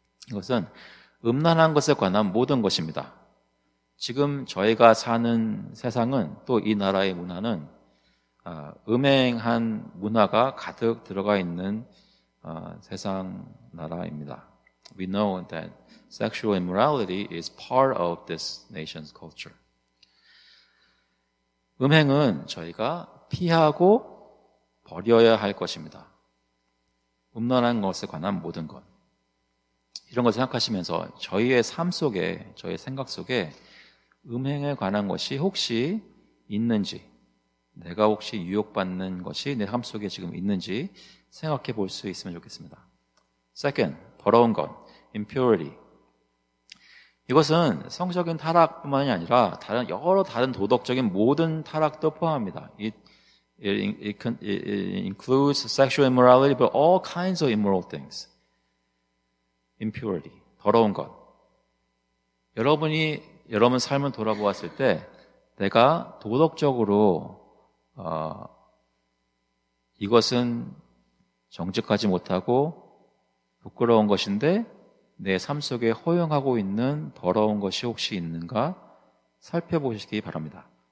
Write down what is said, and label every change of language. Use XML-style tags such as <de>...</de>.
<ko>이것은 음란한 것에 관한 모든 것입니다. 지금 저희가 사는 세상은 또 이 나라의 문화는 음행한 문화가 가득 들어가 있는 세상 나라입니다.</ko> <en>We know that sexual immorality is part of this nation's culture.</en> <ko>음행은 저희가 피하고 버려야 할 것입니다. 음란한 것에 관한 모든 것. 이런 걸 생각하시면서 저희의 삶 속에, 저희 생각 속에 음행에 관한 것이 혹시 있는지, 내가 혹시 유혹받는 것이 내 삶 속에 지금 있는지 생각해 볼 수 있으면 좋겠습니다.</ko> <en>Second,</en> <ko>더러운 것,</ko> <en>impurity.</en> <ko>이것은 성적인 타락뿐만이 아니라 다른 여러 다른 도덕적인 모든 타락도 포함합니다.</ko> <en>It includes sexual immorality, but all kinds of immoral things. Impurity,</en> <ko>더러운 것. 여러분이 여러분 삶을 돌아보았을 때 내가 도덕적으로 이것은 정직하지 못하고 부끄러운 것인데 내 삶 속에 허용하고 있는 더러운 것이 혹시 있는가 살펴보시기 바랍니다.</ko>